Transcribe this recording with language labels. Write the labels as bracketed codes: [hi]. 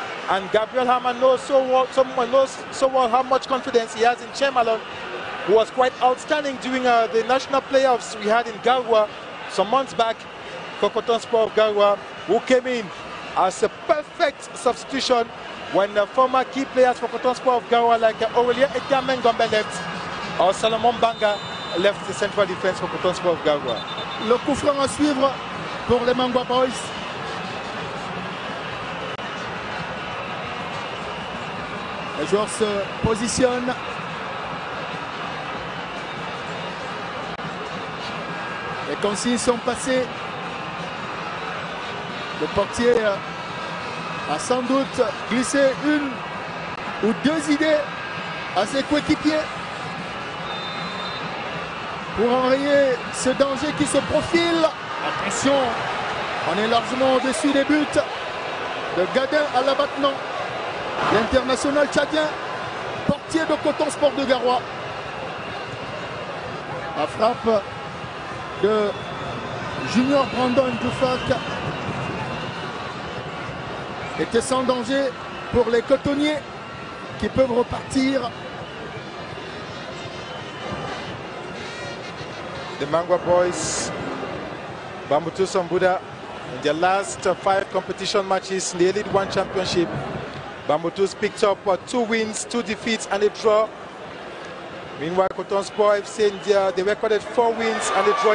[en] And Gabriel Hammer knows so well, someone knows so well how much confidence he has in Che Malone, who was quite outstanding during the national playoffs we had in Garoua some months back for Coton Sport of Garoua, who came in as a perfect substitution when the former key players for Coton Sport of Garoua like Aurelien Etiamengombe left, or Salomon Banga left the central defense for Coton Sport of Garoua. [fr] Le coup franc à suivre pour les Mangua Boys. Les joueurs se positionnent. Les consignes sont passées. Le portier a sans doute glissé une ou deux idées à ses coéquipiers pour enrayer ce danger qui se profile. Attention, on est largement au-dessus des buts de Gadin Alabatna, l'international tchadien, portier de Coton Sport de Garoua. La frappe de Junior Brandon Dufac était sans danger pour les cotonniers qui peuvent repartir. [en] The Mangua Boys, Bambutu Sambuda, in their last five competition matches in the Elite One Championship, Bambutu's picked up two wins, two defeats and a draw. Meanwhile, Coton Sport FC India, they recorded four wins and a draw.